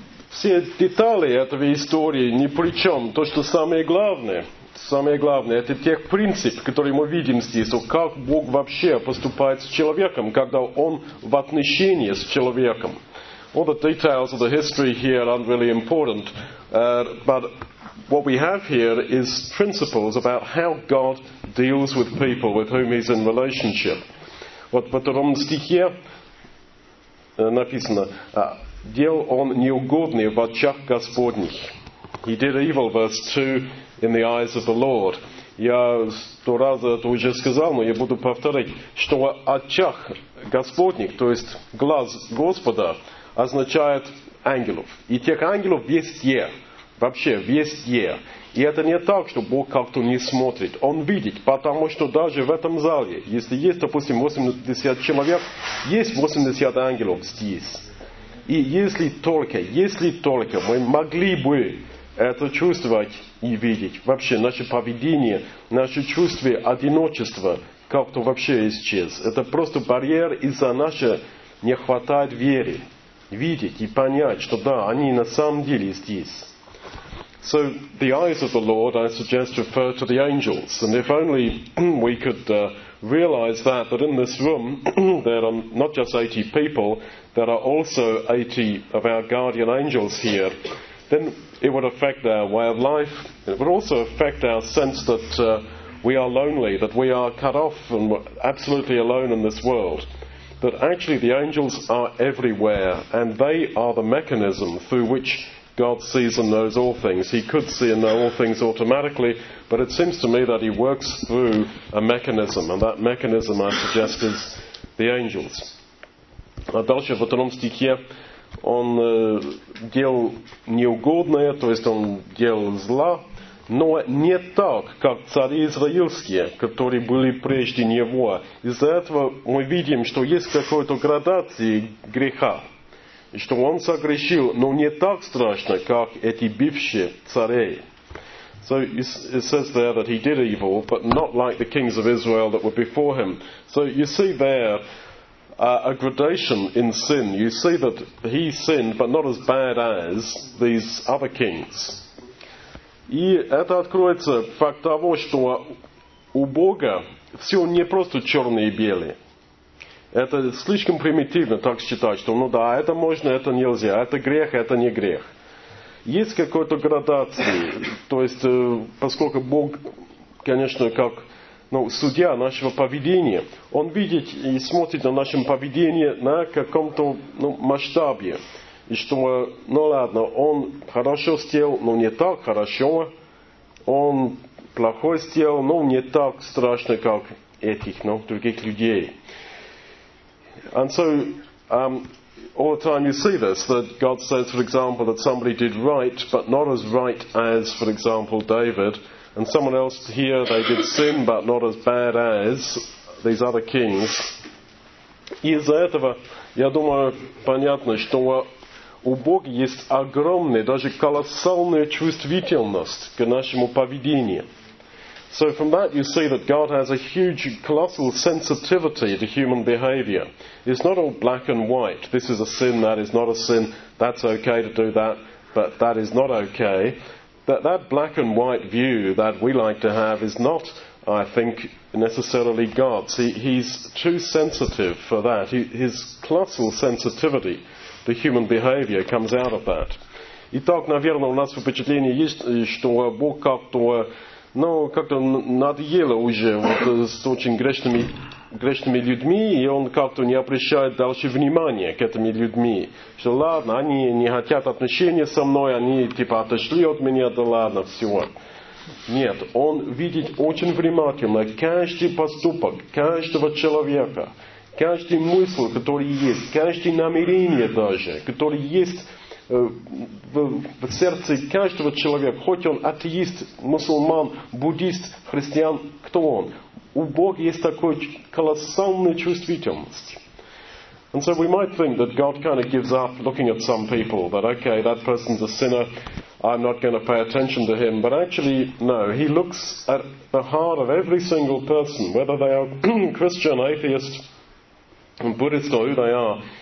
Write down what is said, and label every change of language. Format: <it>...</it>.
<ru>Все детали этой истории ни при чем. То, что самое главное, это тех принцип, которые мы видим здесь, как Бог вообще поступает с человеком, когда Он в отношении с человеком.</ru> <en>All the details of the history here aren't really important, but what we have here is principles about how God deals with people with whom He's in relationship.</en> <ru>Вот в втором стихе написано, делал он неугодный в очах Господних.</ru> <en>He did evil, verse 2, in the eyes of the Lord.</en> <ru>Я 100 раз это уже сказал, но я буду повторить, что очах Господних, то есть глаз Господа, означает ангелов. И тех ангелов везде, вообще везде. И это не так, что Бог как-то не смотрит. Он видит, потому что даже в этом зале, если есть, допустим, 80 человек, есть 80 ангелов здесь. И если только мы могли бы это чувствовать и видеть, вообще наше поведение, наше чувство одиночества как-то вообще исчез. Это просто барьер из-за нашей не хватает веры. Видеть и понять, что да, они на самом деле здесь.</ru> <en>So the eyes of the Lord, I suggest, refer to the angels. And if only we could realize that in this room there are not just 80 people, there are also 80 of our guardian angels here, then it would affect our way of life. It would also affect our sense that we are lonely, that we are cut off and absolutely alone in this world. That actually the angels are everywhere, and they are the mechanism through which God sees and knows all things. He could see and know all things automatically, but it seems to me that He works through a mechanism, and that mechanism, I suggest, is the angels.</en> <ru>А дальше в втором стихе он делал неугодное, то есть он делал зла, но не так, как цари израильские, которые были прежде него. Из-за этого мы видим, что есть какая-то градация греха. И что он согрешил, но не так страшно, как эти бывшие цари.</ru> <en>So it says there that he did evil, but not like the kings of Israel that were before him. So you see there a gradation in sin. You see that he sinned, but not as bad as these other kings.</en> <ru>И это откроется факт того, что у Бога все не просто черные и белые. Это слишком примитивно так считать, что ну да, это можно, это нельзя, это грех, это не грех. Есть какая-то градация, то есть поскольку Бог, конечно, как ну, судья нашего поведения, Он видит и смотрит на наше поведение на каком-то ну, масштабе. И что, ну ладно, Он хорошо сделал, но не так хорошо, Он плохо сделал, но не так страшно, как этих, ну, других людей.</ru> <en>And so, all the time you see this, that God says, for example, that somebody did right, but not as right as, for example, David. And someone else here, they did sin, but not as bad as these other kings.</en> <ru>Из-за этого, я думаю, понятно, что у Бога есть огромная, даже колоссальная чувствительность к нашему поведению.</ru> <en>So from that you see that God has a huge, colossal sensitivity to human behavior. It's not all black and white. This is a sin, that is not a sin. That's okay to do that, but that is not okay. That black and white view that we like to have is not, I think, necessarily God's. He's too sensitive for that. His colossal sensitivity to human behavior comes out of that.</en> <ru>Итак, наверное, у нас впечатление есть, что Бог как-то... Но как-то надоело уже вот, с очень грешными людьми, и он как-то не обращает дальше внимания к этими людьми. Что ладно, они не хотят отношения со мной, они типа отошли от меня, да ладно, все. Нет, он видит очень внимательно каждый поступок каждого человека, каждый мысль, который есть, каждое намерение даже, которое есть. В сердце каждого человека, хоть он атеист, мусульман, буддист, христиан, кто он? У Бога есть такая колоссальная чувствительность.</ru> <en>And so we might think that God kind of gives up looking at some people, that okay, that person's a sinner, I'm not going to pay attention to him. But actually, no, he looks at the heart of every single person, whether they are Christian, atheist, Buddhist, or who they are.</en>